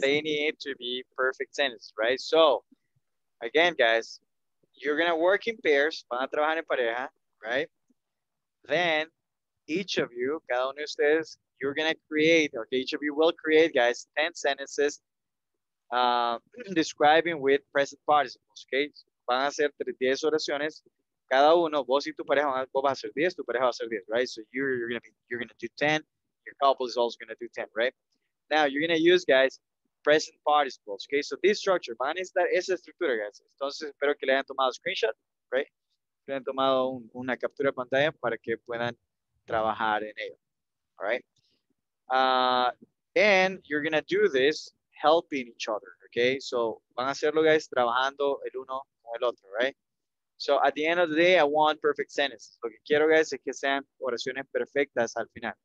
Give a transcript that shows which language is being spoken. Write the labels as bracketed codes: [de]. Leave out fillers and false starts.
[en] They need to be perfect sentences, right? So again, guys, you're gonna work in pairs. [es] Van a trabajar en pareja. [en] Right, then each of you, [es] cada uno de ustedes, [en] you're gonna create, okay, each of you will create, guys, 10 sentences describing with present participles, okay? [es] Van a hacer 10 oraciones, cada uno, vos y tu pareja, vos vas a hacer 10, tu pareja va a hacer 10, right? [en] So you're gonna do 10, your couple is also gonna do 10, right? Now, you're gonna use, guys, present participles, okay? So this structure, [es] van a necesitar esa estructura, [en] guys. [es] Entonces, espero que le hayan tomado screenshot, right? Han tomado una captura de pantalla para que puedan trabajar en ello. [en] All right. And you're going to do this helping each other. Okay. [es] So van a hacerlo, guys, trabajando el uno con el otro. [en] Right. So at the end of the day, I want perfect sentences. [es] Lo que quiero, guys, es que sean oraciones perfectas al final.